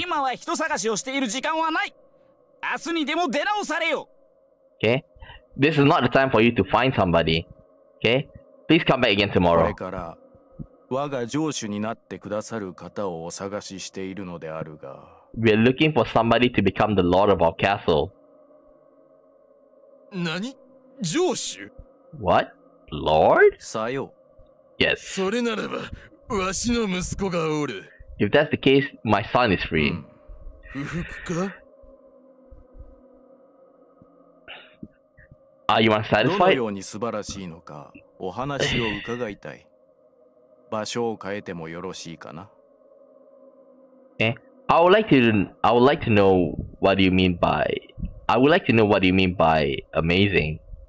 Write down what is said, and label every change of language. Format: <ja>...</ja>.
<ja>今は人探しをしている時間はない。明日にでも出直されよ。</ja> <en>Okay, this is not the time for you to find somebody. Okay, please come back again tomorrow.</en> <ja>これから我が上主になってくださる方をお探ししているのであるが。</ja> <en>We're looking for somebody to become the lord of our castle.</en> <ja>何？上主？</ja> <en>What? Lord?</en> <ja>さよ。</ja> <en>Yes.</en> <ja>それならば、わしの息子がおる。</ja> <en>If that's the case, my son is free.</en> <ja>不服か？</ja> <en>Are you unsatisfied?</en> <ja>どのように素晴らしいのか、お話を伺いたい。場所を変えてもよろしいかな？</ja> <en>Okay. I would like to know what do you mean by... I would like to know what do you mean by amazing.</en>